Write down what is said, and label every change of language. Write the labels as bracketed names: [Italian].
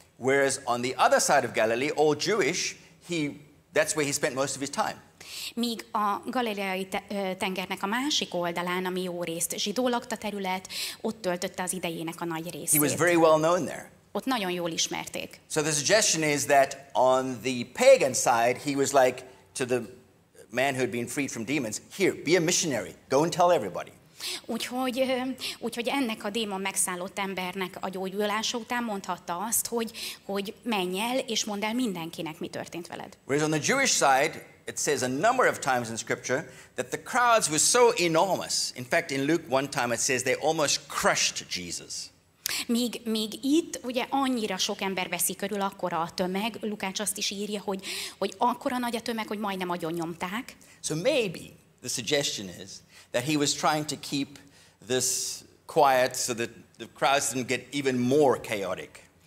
[English] Whereas on the other side of Galilee, all Jewish, that's where he spent most of his time. [Hungarian] Míg a galileai tengernek a másik oldalán, ami jó részt zsidó lakta terület, ott töltötte az idejének a nagy részét. [English] He was very well known there. [Hungarian] Ott nagyon jól ismerték. [English] So the suggestion is that on the pagan side, he was like to the man who had been freed from demons, here, be a missionary, go and tell everybody. [Hungarian] Úgyhogy ennek a démon megszállott embernek a gyógyulása után mondhatta azt, hogy menj el, és mondd el mindenkinek, mi történt veled. [English] Whereas on the Jewish side, it says a number of times in scripture that the crowds were so enormous. In fact, in Luke one time it says they almost crushed Jesus. [Hungarian] Míg itt ugye annyira sok ember veszi körül akkora a tömeg, Lukács azt is írja, hogy akkora nagy a tömeg, hogy majdnem agyon nyomták. [English] So maybe the suggestion is that he was trying to keep this quiet so that the crowds didn't get even more chaotic.